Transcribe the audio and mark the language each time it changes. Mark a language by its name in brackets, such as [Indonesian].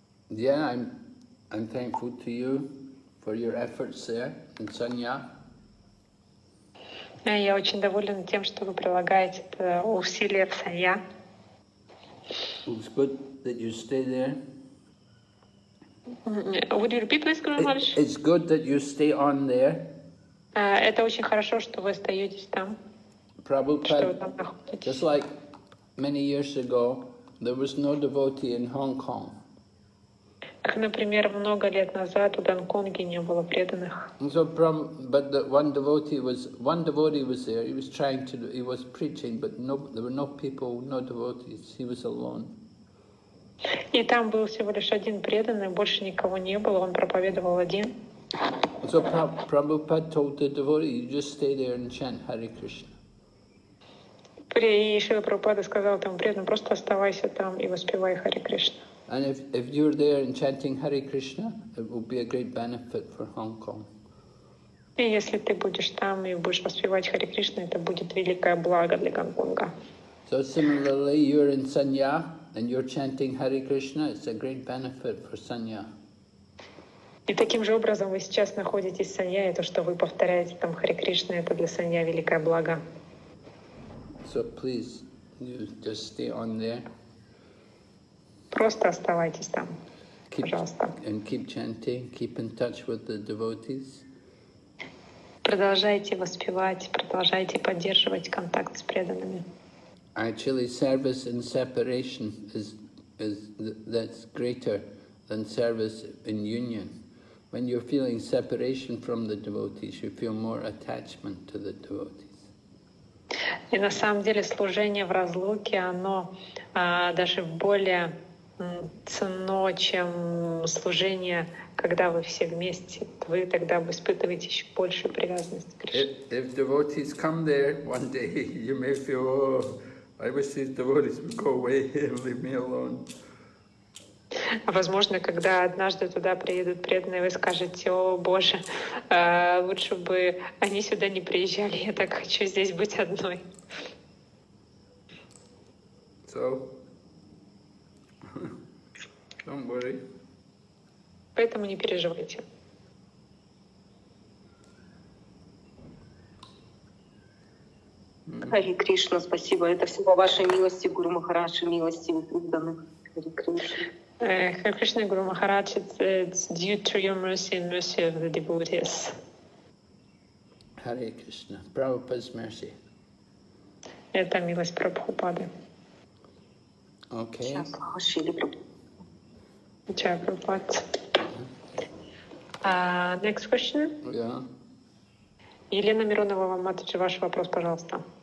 [English] Yeah, I'm thankful to you for your efforts there in Sanya. [Russian] Я очень доволен тем, что вы прилагаете усилия в Санья. [English] It's good that you stay there. Would you repeat, please, Guru Maharaj? It's good that you stay on there. [Russian] Это очень хорошо, что вы остаетесь там. [English] Prabhupada, just like many years ago, there was no devotee in Hong Kong. [Russian] Как, например, много лет назад в Гонконге не было преданных. [English] So, but the one devotee was there. He was preaching, but there were no people, no devotees. He was alone. [Russian] И там был всего лишь один преданный, больше никого не было. Он проповедовал один. [English] So Prabhupada told the devotee, you just stay there and chant Hare Krishna. [Russian] И Шрила Прабхупада сказал этому преданному, просто оставайся там и воспевай Hare Krishna. [English] And if you're there and chanting Hare Krishna, it will be a great benefit for Hong Kong. [Russian] И если ты будешь там и будешь воспевать Hare Krishna, это будет великое благо для Гонконга. [English] So similarly, you're in Sanya and you're chanting Hare Krishna, it's a great benefit for Sanya. [Russian] И таким же образом вы сейчас находитесь в Санья, и то, что вы повторяете там Харе Кришна, это для Санья великое благо. [English] So please, you just stay on there. [Russian] Просто оставайтесь там, keep, пожалуйста. [English] And keep chanting, keep in touch with the devotees. [Russian] Продолжайте воспевать, продолжайте поддерживать контакт с преданными. [English] Actually, service and separation is that's greater than service in union. When you're feeling separation from the devotees, you feel more attachment to the devotees. [Russian] И на самом деле служение в разлуке, оно даже более ценно, чем служение, когда вы все вместе. Вы тогда испытываете еще большую привязанность к Кришне. [English] If devotees come there one day, you may feel, oh, I wish these devotees would go away and leave me alone. [Russian] Возможно, когда однажды туда приедут преданные, вы скажете, о, Боже, лучше бы они сюда не приезжали, я так хочу здесь быть одной. [English] So, don't worry. [Russian] Поэтому не переживайте. Хари Кришна, спасибо. Это все по вашей милости, Гуру Махарадж, и милости преданных. Хари Кришна. [English] Hare Krishna Guru Maharaj, it's due to your mercy and mercy of the devotees. Hare Krishna, Prabhupada's mercy. [Russian] Это милость Прабхупады. [English] Okay. [Russian] Чай, Прабхупад. [English] Next question. Yeah. [Russian] Елена Миронова, вам отвечу ваш вопрос, пожалуйста.